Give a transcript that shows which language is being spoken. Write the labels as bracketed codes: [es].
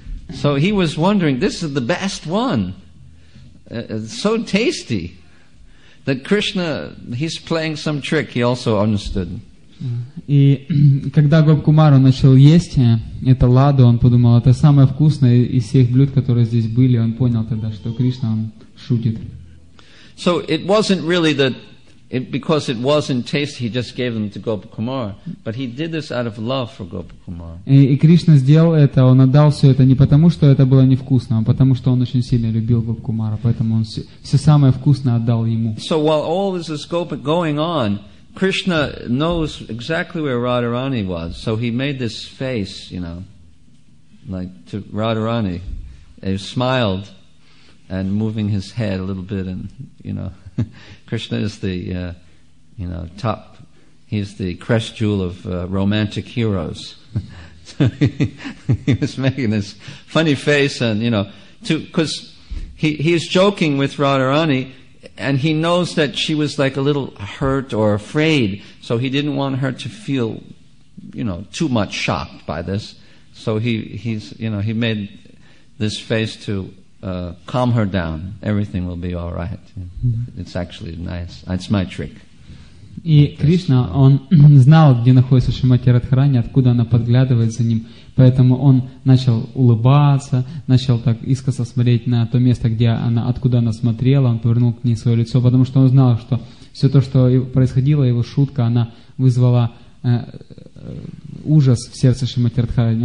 [en] So he was wondering, this is the best one. It's so tasty. That Krishna, he's playing some trick, he also understood. [ru] И когда Гопа Кумара начал есть это ладу, он подумал, это самое вкусное из всех блюд, которые здесь были. Он понял тогда, что Кришна, он шутит. [en] So it wasn't really that, because it wasn't tasty, he just gave them to Gopa Kumara. But he did this out of love for Gopa Kumara. [ru] И Кришна сделал это, он отдал все это не потому, что это было невкусно, а потому, что он очень сильно любил Гопа Кумара, поэтому он все самое вкусное отдал ему. [en] So while all this is going on, Krishna knows exactly where Radharani was, so he made this face, you know, like to Radharani. He smiled and moving his head a little bit and, you know. Krishna is the top. He's the crest jewel of romantic heroes. He was making this funny face, and because he's joking with Radharani, and he knows that she was like a little hurt or afraid, so he didn't want her to feel, too much shocked by this. So he made this face to calm her down. Everything will be all right. It's actually nice. It's my trick. [ru] И Кришна, он знал, где находится Шримати Радхарани, откуда она подглядывает за ним. Поэтому он начал улыбаться, начал так искоса смотреть на то место, откуда она смотрела, он повернул к ней свое лицо, потому что он знал, что все то, что происходило, его шутка, она вызвала ужас в сердце Шримати Радхарани.